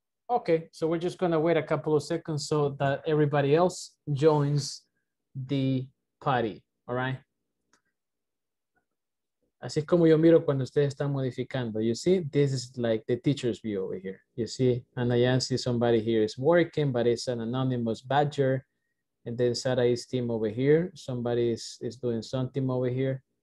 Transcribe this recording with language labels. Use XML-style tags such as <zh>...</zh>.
<en>Okay, so we're just going to wait a couple of seconds so that everybody else joins the party, all right?</en> <es>Así es como yo miro cuando ustedes están modificando.</es> <en>You see, this is like the teacher's view over here. You see, Ana Yancy, somebody here is working, but it's an anonymous badger. And then Sarai's team over here, somebody is doing something over here.</en>